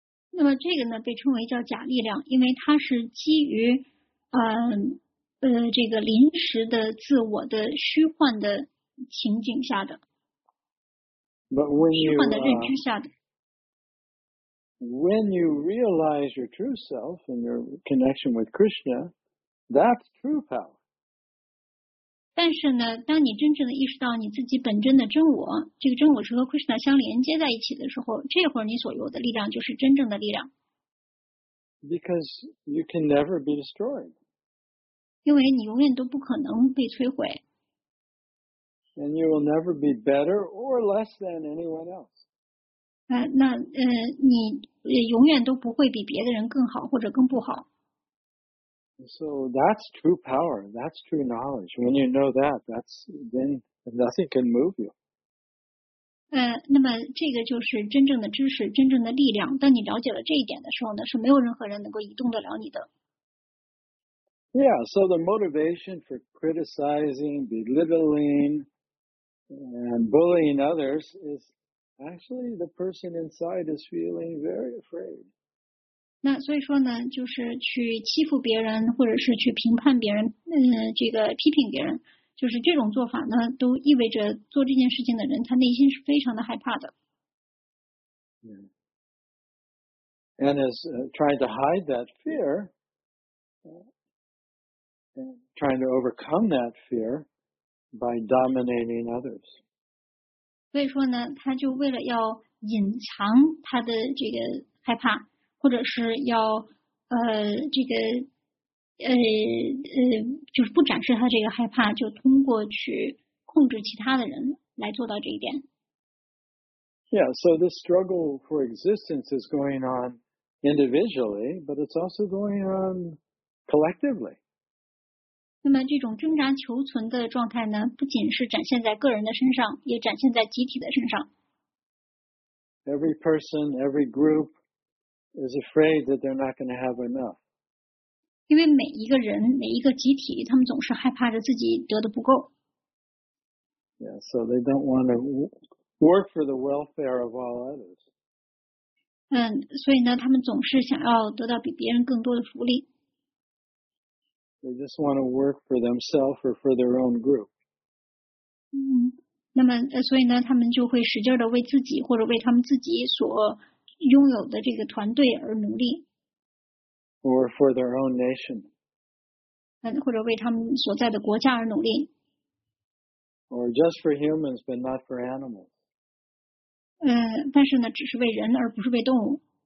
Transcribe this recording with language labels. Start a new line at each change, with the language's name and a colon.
Chinese: 那么这个呢被称为叫假力量，因为它是基于这个临时的自我的虚幻的情景下的。
English: But when you,
Chinese: 虚幻的认知下的。
English: When you realize your true self and your connection with Krishna, that's true power.
Chinese: 但是呢，当你真正的意识到你自己本真的真我，这个真我是和 Krishna 相连接在一起的时候，这会儿你所有的力量就是真正的力量。
English: Because you can never be destroyed.
Chinese: 因为你永远都不可能被摧毁。
English: And you will never be better or less than anyone else.
Chinese: 你永远都不会比别的人更好或者更不好。
English: So that's true power. That's true knowledge. When you know that, then nothing can move you.
Chinese: 那么这个就是真正的知识，真正的力量。当你了解了这一点的时候呢，是没有任何人能够移动得了你的。
English: Yeah, so the motivation for criticizing, belittling, and bullying others is actually the person inside is feeling very afraid.
Chinese: 那所以说呢，就是去欺负别人，或者是去评判别人，这个批评别人，就是这种做法呢，都意味着做这件事情的人，他内心是非常的害怕的。
English: Yeah. And is trying to hide that fear. And trying to overcome that fear by dominating others.
Chinese: 所以说呢，他就为了要隐藏他的这个害怕，或者是要就是不展示他这个害怕，就通过去控制其他的人来做到这一点。
English: Yeah, so this struggle for existence is going on individually, but it's also going on collectively.
Chinese: 那么这种挣扎求存的状态呢，不仅是展现在个人的身上，也展现在集体的身上。
English: Every person, every group is afraid that they're not going to have enough.
Chinese: 因为每一个人，每一个集体，他们总是害怕着自己得的不够。
English: Yeah, so they don't want to work for the welfare of all others.
Chinese: 所以呢，他们总是想要得到比别人更多的福利。
English: They just want to work for themselves or for their own group.
Chinese: 那么所以呢，他们就会使劲的为自己或者为他们自己所拥有的这个团队而努力。
English: Or for their own nation.
Chinese: 或者为他们所在的国家而努力。
English: Or just for humans, but not for animals.
Chinese: 但是呢，只是为人而不是为动物。